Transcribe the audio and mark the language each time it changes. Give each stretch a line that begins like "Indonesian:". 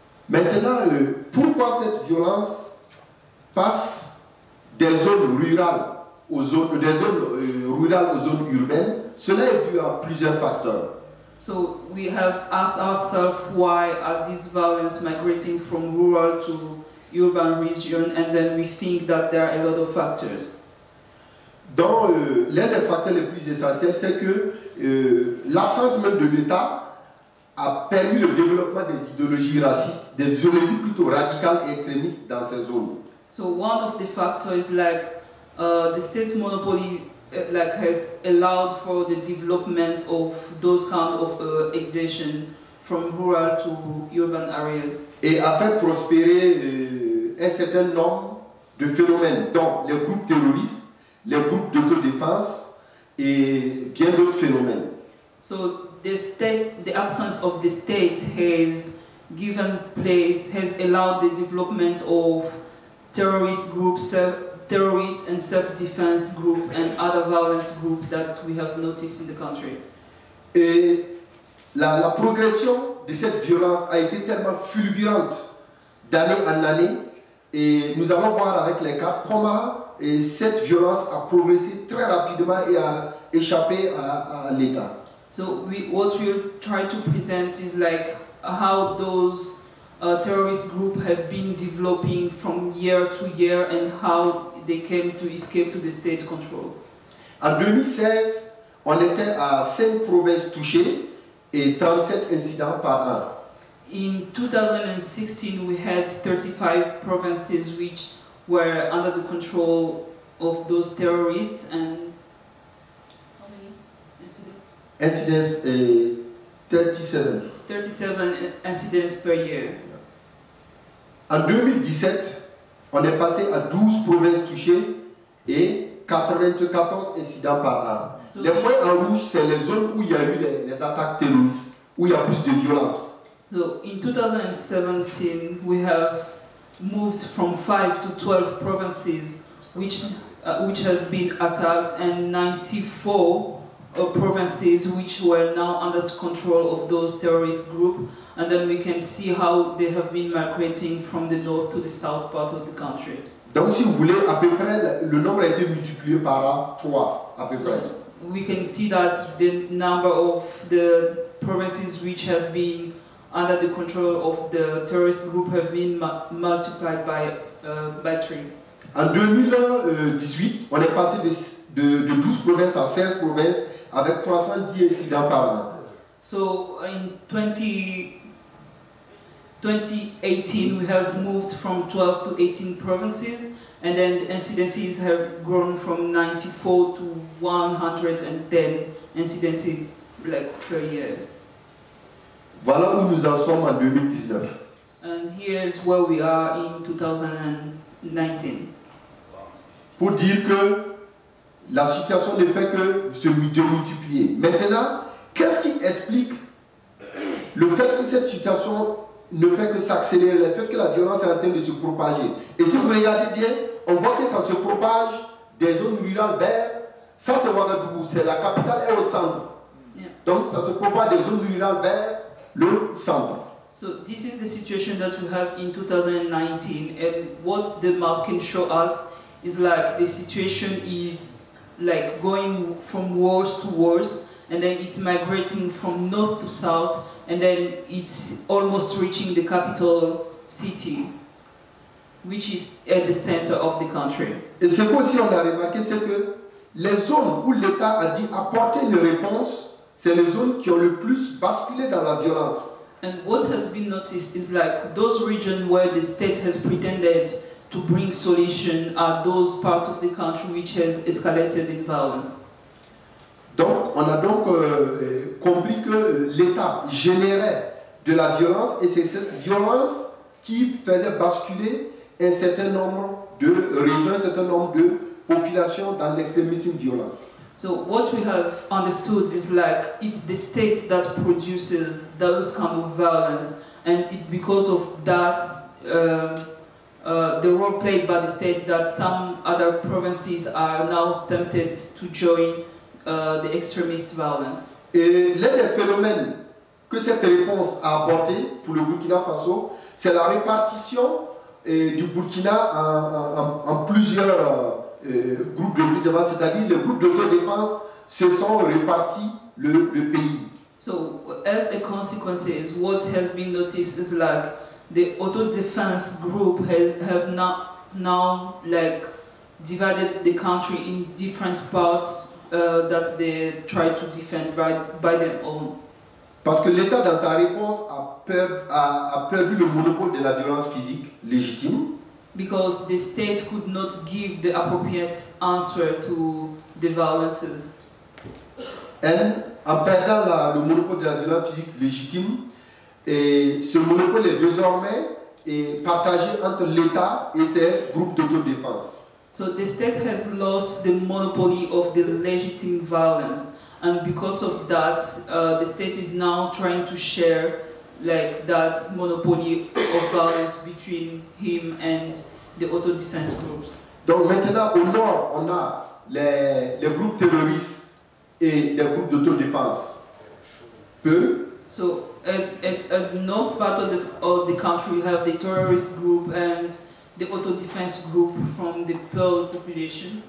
French: Maintenant, pourquoi cette violence passe des zones rurales aux zones, des zones rurales aux zones urbaines? Cela est dû à plusieurs facteurs.
English: So we have asked ourselves why are these violence migrating from rural to urban region, and then we think that there are a lot of factors.
French: Dans l'un des facteurs les plus essentiels, c'est que l'absence même de l'État a permis le développement des idéologies racistes, des idéologies plutôt radicales et extrémistes dans ces zones.
English: So one of the factors is like the state monopoly like has allowed for the development of those kind of exaction from rural to urban areas.
French: Et a fait prospérer un certain nombre de phénomènes, dont les groupes terroristes, les groupes d'autodéfense et bien d'autres phénomènes.
English: So the state, the absence of the state has given place, has allowed the development of terrorist groups, terrorists and self-defense group and other violence group that we have noticed in the country.
French: Et la progression de cette violence a été tellement fulgurante d'année en année, et nous allons voir avec les cas comment et cette violence a progressé très rapidement et a échappé à l'État.
English: So we, what we try to present is like how those terrorist groups have been developing from year to year and how they came to escape to the state control.
French: En 2016, on était à 5 provinces touchées et 37 incidents par an.
English: In 2016, we had 35 provinces which were under the control of those terrorists, and how many incidents? Incidents, 37 incidents per year.
French: En 2017, on est passé à 12 provinces touchées et 94 incidents par an. So les points en rouge, c'est les zones où il y a eu les attaques terroristes, où il y a plus de violence.
English: So in 2017, we have moved from 5 to 12 provinces which have been attacked, and 94 provinces which were now under control of those terrorist group, and then we can see how they have been migrating from the north to the south part of the country.
French: Donc si vous voulez, à peu près le nombre a été multiplié par 3 à peu près.
English: So we can see that the number of the provinces which have been under the control of the terrorist group have been multiplied by 3.
French: En 2018, on est passé de 12 provinces à 16 provinces avec 310 incidents par an.
English: So in 2018, we have moved from 12 to 18 provinces, and then the incidences have grown from 94 to 110 incidences like per year.
French: Voilà où nous en sommes en 2019.
English: And here's where we are in 2019.
French: Pour dire que la situation ne fait que se démultiplier. Maintenant, qu'est-ce qui explique le fait que cette situation ne fait que s'accélérer, le fait que la violence est en train de se propager? Et si vous regardez bien, on voit que ça se propage des zones rurales vers, ça c'est Ouagadougou, c'est la capitale et au centre.
English: Yeah.
French: Donc ça se propage des zones rurales vers le centre.
English: So this is the situation that we have in 2019, and what the map can show us is like the situation is like going from worse to worse, and then it's migrating from north to south, and then it's almost reaching the capital city, which is at the center of the country.
French: Et ce que aussi on a remarqué, c'est que les zones où l'État a dit apporter une réponse, c'est les zones qui ont le plus basculé dans la violence.
English: And what has been noticed is like those regions where the state has pretended to bring solution are those parts of the country which has escalated in violence.
French: Donc, on a donc compris que l'État générait de la violence, et c'est cette violence qui faisait basculer un certain nombre de régions, un certain nombre de populations dans l'extrémisme violent.
English: So what we have understood is like it's the state that produces those kind of violence, and it, because of that, the role played by the state, that some other provinces are now tempted to join the extremist violence.
French: Et l'un des phénomènes que cette réponse a apporté pour le Burkina Faso, c'est la répartition du Burkina en plusieurs groupes de défense, c'est-à-dire les groupes d'autodéfense se sont répartis le pays.
English: So, as a consequence, what has been noticed is like the auto-defense group have not now like divided the country in different parts that they try to defend by their own.
French: Parce que l'État, dans sa réponse, a perdu le monopole de la violence physique légitime.
English: Because the state could not give the appropriate answer to the violences.
French: And en perdant le monopole de la violence physique légitime, et ce monopole est désormais partagé entre l'État et ses groupes d'autodéfense.
English: So the state has lost the monopoly of the legitimate violence, and because of that, the state is now trying to share like that monopoly of violence between him and the autodéfense groups.
French: Donc maintenant au nord, on a les groupes terroristes et des groupes d'autodéfense. Peu.
English: So at north part of the country, we have the terrorist group and the auto-defense group from the Peul population.